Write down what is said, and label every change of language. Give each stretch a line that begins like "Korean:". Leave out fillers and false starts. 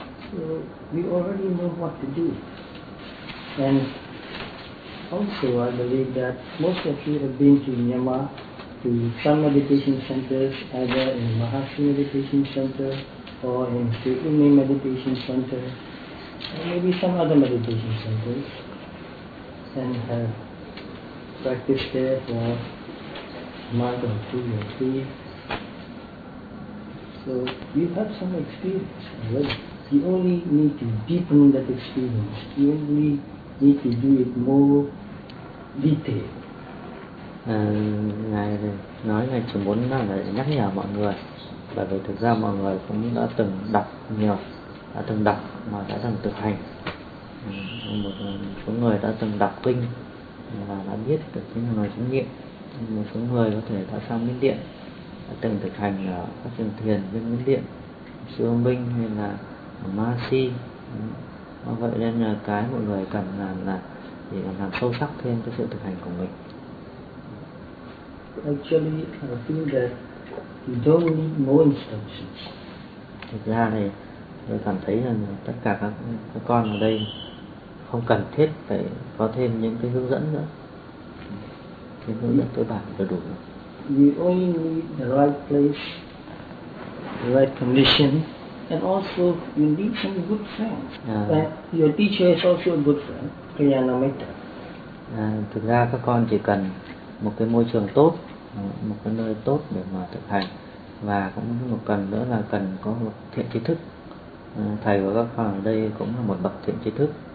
English: So we already know what to do. And also I believe that most of you have been to Myanmar, to some meditation centers, either in Mahasi Meditation Center or in Sri Umi Meditation Center, or maybe some other meditation centers, and have practiced there for a month or two or three. So you have some experience already. You only need to deepen that experience. You only need to do it more detailed.
Vietnamese: Ngài nói ngài chỉ muốn là nhắc nhở mọi người, bởi vì thực ra mọi người cũng đã từng đọc nhiều, đã từng đọc mà đã từng thực hành. Một số người đã từng đọc kinh và đã biết được những lời chứng nghiệm. Một số người có thể đã sang Miến Điện, đã từng thực hành ở các trường thiền bên Miến Điện, Sư Ông Minh hay là Ma-si. Vậy nên là cái mọi người cần làm là để làm sâu sắc thêm cái sự thực hành của mình.
English: Actually, I feel that you don't need more instructions.
Vietnamese: Thực ra thì tôi cảm thấy rằng tất cả các con ở đây không cần thiết phải có thêm những cái hướng dẫn nữa. Cái hướng dẫn cơ bản là đủ rồi.
English: You only need the right place, the right condition, and also you need some good friends. Your teacher is also a good friend, Kriyanamitta.
Vietnamese: Thực ra các con chỉ cần một cái môi trường tốt, một cái nơi tốt để mà thực hành, và cũng một cần nữa là cần có một thiện tri thức. Thầy và các con ở đây cũng là một bậc thiện tri thức.